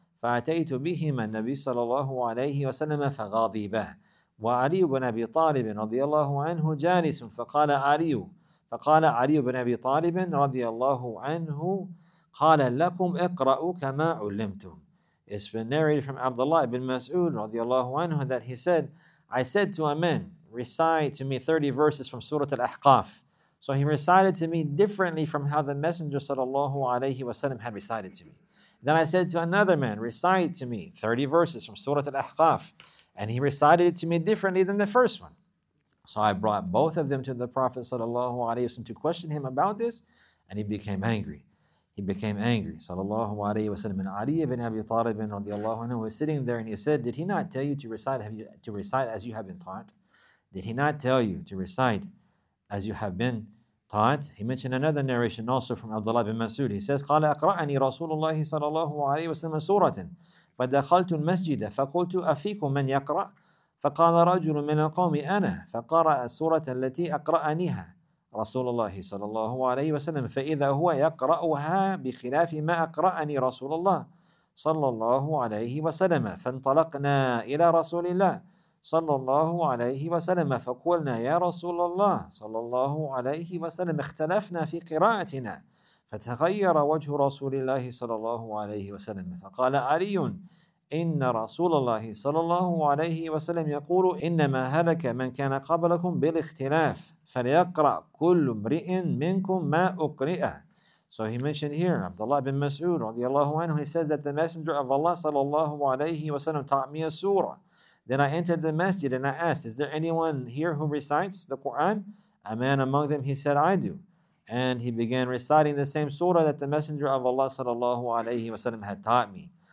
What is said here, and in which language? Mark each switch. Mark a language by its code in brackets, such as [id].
[ar] فأتيت بهما النبي صلى الله عليه وسلم فغاضبه وعلي بن أبي طالب رضي الله عنه جالس فقال علي بن أبي طالب رضي الله عنه قال لكم اقرأوا كما علمتم. [en] It's been narrated from Abdullah ibn Mas'ud رضي الله عنه that he said, I said to a man, recite to me 30 verses from Surah Al-Ahqaf. So he recited to me differently from how the Messenger صلى الله عليه وسلم had recited to me. Then I said to another man, recite to me 30 verses from Surah Al-Ahqaf. And he recited it to me differently than the first one. So I brought both of them to the Prophet Sallallahu Alaihi Wasallam to question him about this. And he became angry. Sallallahu Alaihi Wasallam. And Ali ibn Abi Talib radiallahu anhu was sitting there and he said, did he not tell you to recite, as you have been taught? Did he not tell you to recite as you have been taught? He mentioned another narration also from Abdullah bin Mas'ud. He says, [ar] قَالَ أَقْرَأَنِي رَسُولُ اللَّهِ صَلَى اللَّهُ عَلَيْهِ وَسَلَّمَ سُورَةً فَدَخَلْتُ الْمَسْجِدَ فَقُلْتُ أَفِيكُمْ مَنْ يَقْرَأْ فَقَالَ رَجُلٌ مِنَ الْقَوْمِ أَنَا فَقَرَأَ السُورَةَ الَّتِي أَقْرَأَنِيهَا رَسُولُ اللَّهِ صَلَى اللَّهُ عَلَيْهِ وَسَلَّمَ فَإِذَا هُوَ يَقْرَأُهَا بِخِلَافِ مَا أَقْرَأَنِي رَسُولُ اللَّهِ صَلَى اللَّهُ عَلَيْهِ وَسَلَّمَ فَانْطَلَقْنَا إِلَى رَسُولِ اللَّهِ صلى الله عليه وسلم فقلنا يا رسول الله صلى الله عليه وسلم اختلفنا في قراءتنا فتغير وجه رسول الله صلى الله عليه وسلم فقال علي إن رسول الله صلى الله عليه وسلم يقول إنما هلك من كان قبلكم بالاختلاف فليقرأ كل امرئ منكم ما أقرئ. [en] So he mentioned here Abdullah bin Mas'ud رضي الله عنه, he says that the Messenger of Allah صلى الله عليه وسلم taught me a surah. Then I entered the masjid and I asked, is there anyone here who recites the Qur'an? A man among them, he said, I do. And he began reciting the same surah that the Messenger of Allah sallallahu alayhi wa sallam had taught me.